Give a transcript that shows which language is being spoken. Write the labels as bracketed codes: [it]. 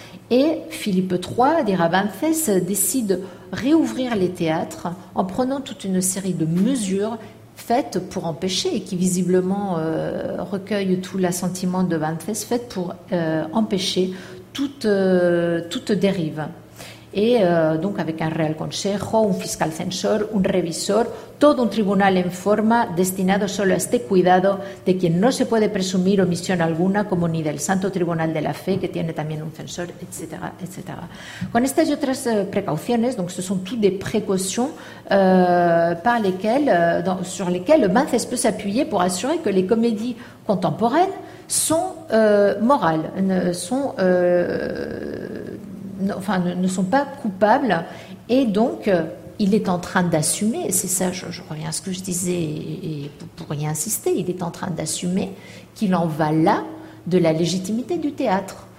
[fr] Et Philippe III, dira Banfès, décide réouvrir les théâtres en prenant toute une série de mesures faites pour empêcher, et qui visiblement recueillent tout l'assentiment de Banfès, faites pour empêcher toute dérive. Et donc avec [es] un real consejo, un fiscal censor, un revisor, todo un tribunal en forma destinado solo a este cuidado de quien no se puede presumir omisión alguna, como ni del Santo Tribunal de la Fe, que tiene también un censor, etcétera, etcétera. Con estas y otras precauciones, [fr] donc ce sont toutes des précautions par lesquelles, sur lesquelles Mathès peut s'appuyer pour assurer que les comédies contemporaines sont morales, sont, enfin, ne sont pas coupables, et donc il est en train d'assumer, et c'est ça, je reviens à ce que je disais, et pour y insister, il est en train d'assumer qu'il en va là de la légitimité du théâtre.